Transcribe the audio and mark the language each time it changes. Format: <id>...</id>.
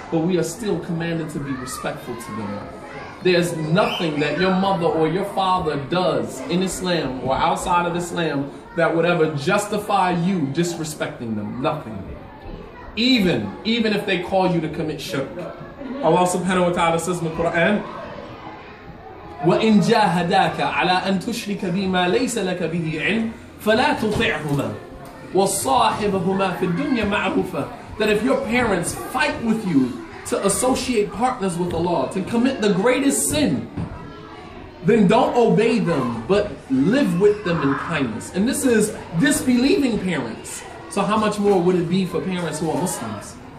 <en>But we are still commanded to be respectful to them. There's nothing that your mother or your father does in Islam or outside of Islam that would ever justify you disrespecting them. Nothing. Even if they call you to commit shirk. Allah subhanahu wa ta'ala says in the Quran,</en> <ar>وَإِن جَاهَدَاكَ عَلَىٰ أَن تُشْرِكَ بِمَا لَيْسَ لَكَ بِهِ عِلْمٍ فَلَا تُطِعْهُمَا وَصَاحِبَهُمَا فِي الدُّنْيَا مَعْرُوفًا.</ar> <en>That if your parents fight with you to associate partners with Allah, to commit the greatest sin, then don't obey them, but live with them in kindness. And this is disbelieving parents. So how much more would it be for parents who are Muslims?</en>